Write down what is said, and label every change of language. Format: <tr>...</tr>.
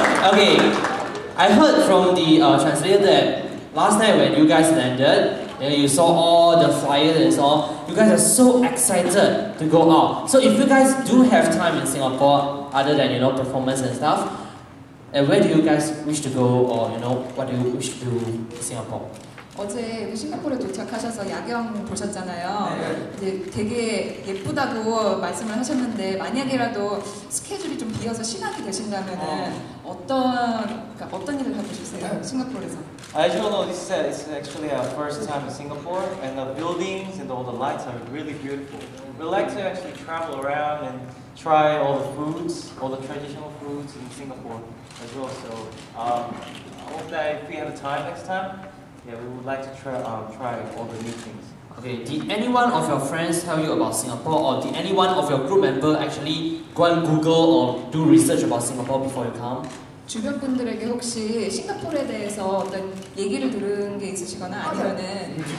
<en>Okay, I heard from the translator that last night when you guys landed, and you saw all the flyers and so on, you guys are so excited to go out. So if you guys do have time in Singapore, other than, you know, performance and stuff, and where do you guys wish to go, or, you know, what do you wish to do in Singapore?</en> <ko>어제 싱가포르에 도착하셔서 야경 보셨잖아요. 네. 되게 예쁘다고 말씀을 하셨는데 만약에라도 스케줄이 좀 비어서 시간이 되신다면 어떤 일을 하고 싱가포르에서?</ko> <en>As you all know, this is actually our first time in Singapore, and the buildings and all the lights are really beautiful. We like to actually travel around and try all the foods, all the traditional foods in Singapore as well. So I hope that if we have time next time, yeah, we would like to try all the new things. Okay, did anyone of your friends tell you about Singapore, or did anyone of your group member actually go and Google or do research about Singapore before you come?</en> <ko>주변 분들에게 혹시 싱가포르에 대해서 어떤 얘기를 들은 게 있으시거나 아니면은</ko>